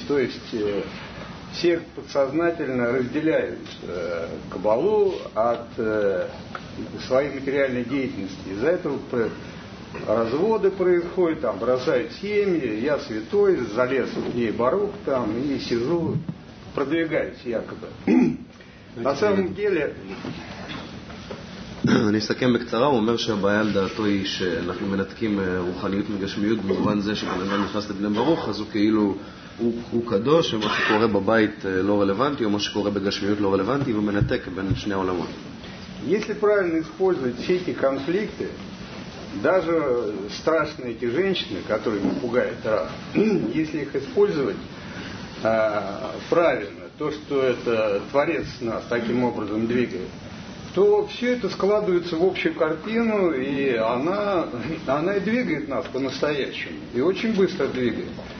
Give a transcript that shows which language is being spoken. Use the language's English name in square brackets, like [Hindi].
[Russian] То есть все подсознательно разделяют кабалу от своей материальной деятельности. Из-за этого разводы происходят, там, бросают семьи, я святой, залез в ней барух там и сижу, продвигаюсь якобы. На самом деле... [Hebrew] אני אסכם בקצרה, הוא אומר שהבעיה לדעתו היא שאנחנו מנתקים רוחניות מגשמיות במובן זה שבן אדם נכנס לבני ברוך, אז הוא כאילו הוא קדוש, ומה שקורה בבית לא רלוונטי, או מה שקורה בגשמיות לא רלוונטי, ומנתק בין שני העולמות. [Russian] Если правильно использовать все эти конфликты, даже страшные эти женщины, которые пугают раб, если их использовать правильно, то, что это Творец нас таким образом двигает, то все это складывается в общую картину, и она и двигает нас по-настоящему, и очень быстро двигает.